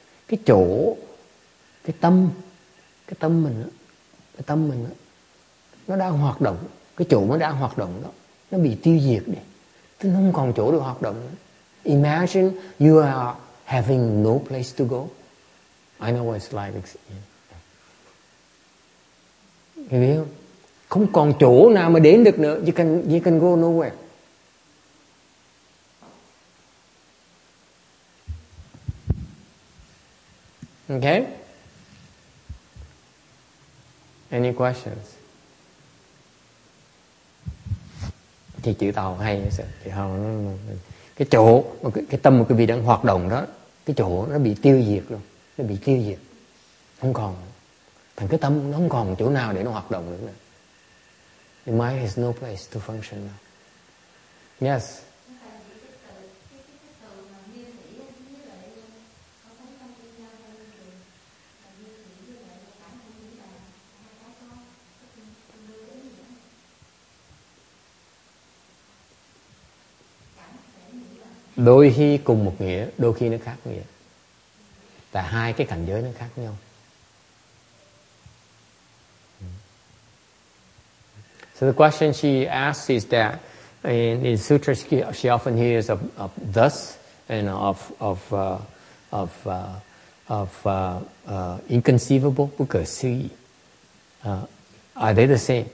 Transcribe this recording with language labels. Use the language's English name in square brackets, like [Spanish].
[Vietnamese] Cái chỗ, cái tâm mình, nó đang hoạt động. Cái chỗ nó đang hoạt động đó, nó bị tiêu diệt đi. Nó không còn chỗ để hoạt động nữa. [English] Imagine you are having no place to go. I know what it's like. Yeah. You know? [Vietnamese] Không còn chỗ nào mà đến được nữa. [English] You can go nowhere. Okay? Any questions? [Vietnamese] Thì chữ tàu hay sao? Chữ tàu nó... cái chỗ cái tâm của quý vị đang hoạt động đó, cái chỗ nó bị tiêu diệt luôn, nó bị tiêu diệt, không còn thành cái tâm, nó không còn chỗ nào để nó hoạt động nữa. [English] The mind has no place to function now. Yes. [Vietnamese] Đôi khi cùng một nghĩa, đôi khi nó khác nghĩa. Tại hai cái cảnh giới nó khác nhau. [English] So the question she asks is that in sutras she often hears of thus and of inconceivable, 不可思议. Are they the same?